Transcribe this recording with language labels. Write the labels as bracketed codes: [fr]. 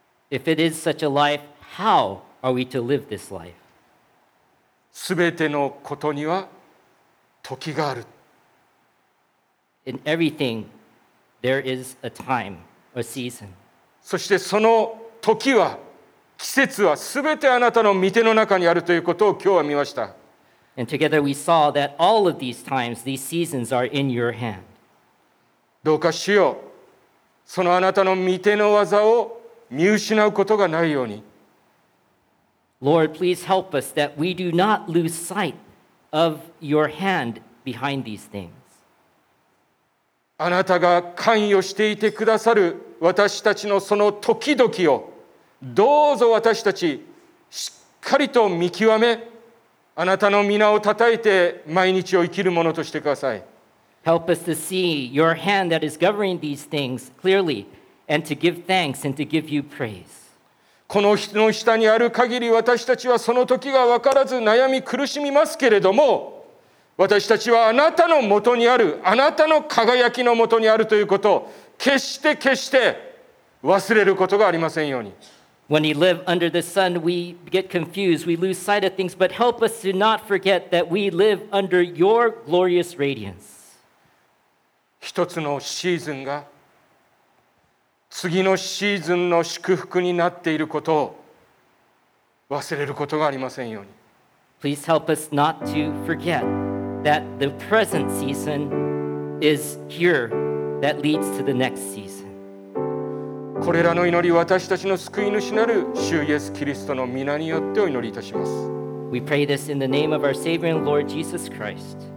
[en] If it is such a life, how are we to live this life? [ja] すべてのことには時がある。 [en] In everything, there is a time, a season. [ja] そしてその時は、季節はすべてあなたの御手の中にあるということを今日は見ました。 [en] And together we saw that all of these times, these seasons are in your hand. [ja] どうか主よ、そのあなたの御手の技を見失うことがないように。 [en] Lord, please help us that we do not lose sight of your hand behind these things. [ja] あなたが関与していてくださる私たちのその時々をどうぞ私たちしっかりと見極め、あなたの皆をたたえて毎日を生きるものとしてください。 [en] Help us to see your hand that is governing these things clearly, and to give thanks and to give you praise. [ja] この人の下にある限り、私たちはその時が分からず悩み苦しみますけれども、私たちはあなたのもとにある、あなたの輝きのもとにあるということを決して決して忘れることがありませんように。 [en] When we live under the sun, we get confused, we lose sight of things, but help us to not forget that we live under your glorious radiance. [ja] 一つのシーズンが次のシーズンの祝福になっていることを忘れることがありませんように。 [en] Please help us not to forget that the present season is here that leads to the next season. [ja] これらの祈り、私たちの救い主なる主イエスキリストの御名によってお祈りいたします。 [en] We pray this in the name of our Savior and Lord Jesus Christ.